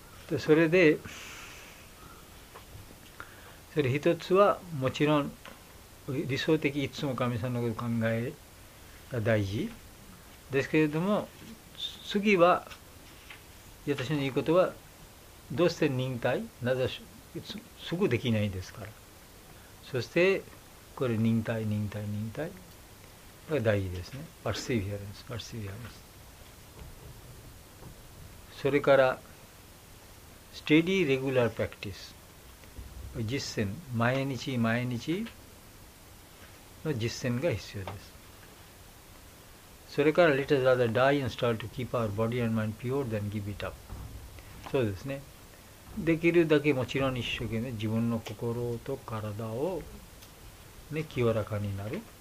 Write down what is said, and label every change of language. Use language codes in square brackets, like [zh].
[ja] でそれでそれ一つはもちろん理想的いつも神様のことを考えが大事ですけれども次は私の言うことはどうして忍耐なぜすぐできないんですからそしてこれ忍耐忍耐忍耐これ大事ですね。 [en] Perseverance、Perseverance。 [ja] それから、 [en] Steady Regular Practice。 [ja] 実践、毎日毎日の実践が必要です。 [en] それから、Let us rather die and start to keep our body and mind pure than give it up。 [ja] そうですね。できるだけもちろん一生懸命自分の心と体を、ね、清らかになる。